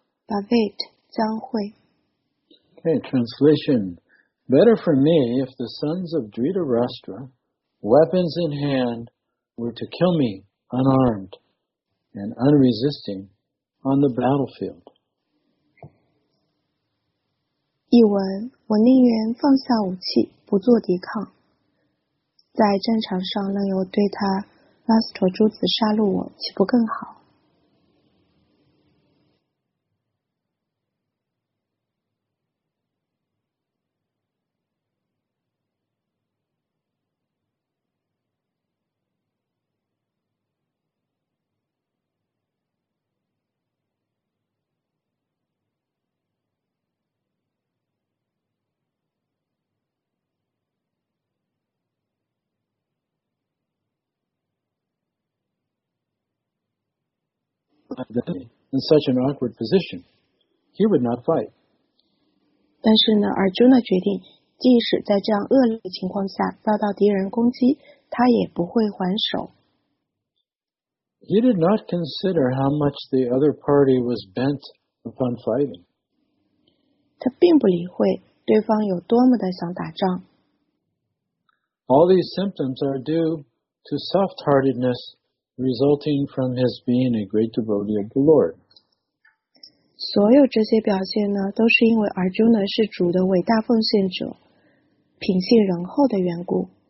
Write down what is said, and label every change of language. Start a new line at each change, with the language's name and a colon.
Chinese: Bhavet, 将会。
English: Okay, translation. Better for me if the sons of Dhritarashtra, weapons in hand, were to kill me unarmed and unresisting on the battlefield.
Chinese: 译文：我宁愿放下武器，不做抵抗，在战场上任由对他拉斯陀珠子杀戮我，岂不更好？
English: In such an awkward position, he would not fight.
Chinese: 但是呢 ，Arjuna 决定，即使在这样恶劣的情况下遭到敌人攻击，他也不会还手。
English: He did not consider how much the other party was bent upon fighting.
Chinese: 他并不理会对方有多么的想打仗。
English: All these symptoms are due to soft-heartedness. Resulting from his being a great devotee of the Lord.
Chinese: 所有这些表现呢，都是因为 Arjuna 是主的伟大奉献者，品性仁厚的缘故。